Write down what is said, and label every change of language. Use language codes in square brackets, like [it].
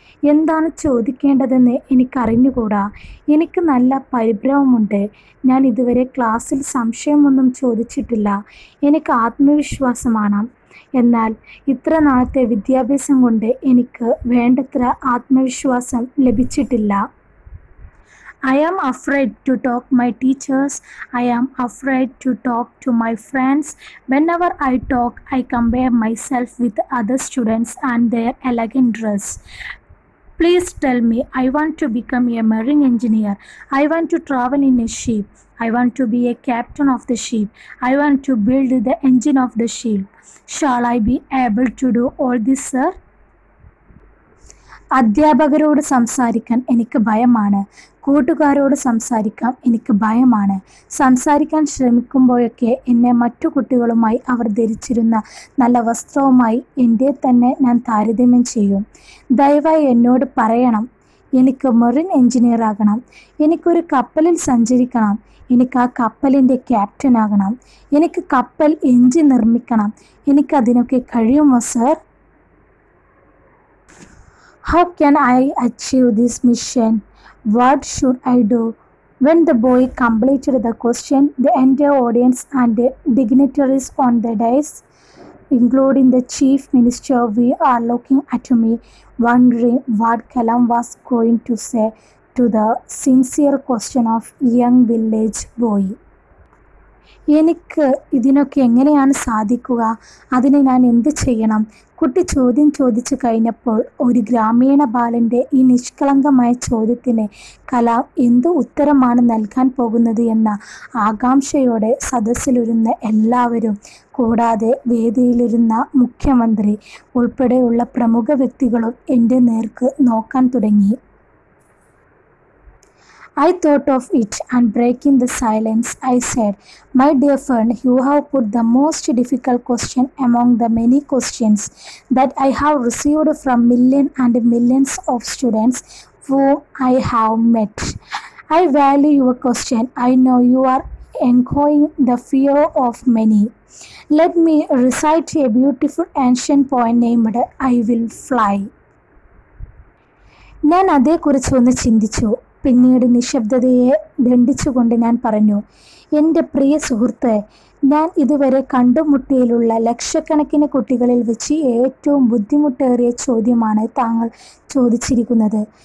[ml] എന്താണ് ചോദിക്കേണ്ടതെന്ന് എനിക്കറിഞ്ഞുകൂടാ. എനിക്ക് നല്ല പരിഭ്രമമുണ്ട്. ഞാൻ ഇതുവരെ ക്ലാസ്സിൽ സംശയമൊന്നും ചോദിച്ചിട്ടില്ല. എനിക്ക് ആത്മവിശ്വാസമാണ്. എന്നാൽ ഇത്ര നാളത്തെ വിദ്യാഭ്യാസം കൊണ്ട് എനിക്ക് വേണ്ടത്ര ആത്മവിശ്വാസം ലഭിച്ചിട്ടില്ല. [en] I am afraid to talk to my teachers. I am afraid to talk to my friends. Whenever I talk, I compare myself with other students and their elegant dress. Please tell me, I want to become a marine engineer. I want to travel in a ship. I want to be a captain of the ship. I want to build the engine of the ship. Shall I be able to do all this, sir? [ml] അധ്യാപകരോട് സംസാരിക്കാൻ എനിക്ക് ഭയമാണ്. കൂട്ടുകാരോട് സംസാരിക്കാൻ എനിക്ക് ഭയമാണ്. സംസാരിക്കാൻ ശ്രമിക്കുമ്പോഴൊക്കെ എന്നെ മറ്റു കുട്ടികളുമായി അവർ ധരിച്ചിരുന്ന നല്ല വസ്ത്രവുമായി എൻ്റെ തന്നെ ഞാൻ താരതമ്യം ചെയ്യും. ദയവായി എന്നോട് പറയണം, എനിക്ക് മറിൻ എഞ്ചിനീയറാകണം, എനിക്കൊരു കപ്പലിൽ സഞ്ചരിക്കണം, എനിക്ക് ആ കപ്പലിൻ്റെ ക്യാപ്റ്റനാകണം, എനിക്ക് കപ്പൽ എഞ്ചിൻ നിർമ്മിക്കണം, എനിക്കതിനൊക്കെ കഴിയുമോ sir? [en] How can I achieve this mission? What should I do? When the boy completed the question, the entire audience and the dignitaries on the dais, including the chief minister, we are looking at me, wondering what Kalam was going to say to the sincere question of young village boy. [ml] എനിക്ക് ഇതിനൊക്കെ എങ്ങനെയാണ് സാധിക്കുക? അതിന് ഞാൻ എന്ത് ചെയ്യണം? കുട്ടി ചോദ്യം ചോദിച്ചു കഴിഞ്ഞപ്പോൾ ഒരു ഗ്രാമീണ ബാലൻ്റെ ഈ നിഷ്കളങ്കമായ ചോദ്യത്തിന് കലാം എന്ത് ഉത്തരമാണ് നൽകാൻ പോകുന്നത് എന്ന ആകാംക്ഷയോടെ സദസ്സിലിരുന്ന എല്ലാവരും, കൂടാതെ വേദിയിലിരുന്ന മുഖ്യമന്ത്രി ഉൾപ്പെടെയുള്ള പ്രമുഖ വ്യക്തികളും എൻ്റെ നേർക്ക് നോക്കാൻ തുടങ്ങി. [en] I thought of it and breaking the silence, I said, My dear friend, you have put the most difficult question among the many questions that I have received from millions and millions of students whom I have met. I value your question. I know you are echoing the fear of many. Let me recite a beautiful ancient poem named I Will Fly. [ml] ഞാൻ അതേക്കുറിച്ചൊന്ന് ചിന്തിച്ചു. പിന്നീട് നിശബ്ദതയെ ദണ്ഡിച്ചുകൊണ്ട് ഞാൻ പറഞ്ഞു, എൻ്റെ പ്രിയ സുഹൃത്ത്, ഞാൻ ഇതുവരെ കണ്ടുമുട്ടിയിലുള്ള ലക്ഷക്കണക്കിന് കുട്ടികളിൽ വെച്ച് ഏറ്റവും ബുദ്ധിമുട്ടേറിയ ചോദ്യമാണ് താങ്കൾ ചോദിച്ചിരിക്കുന്നത്.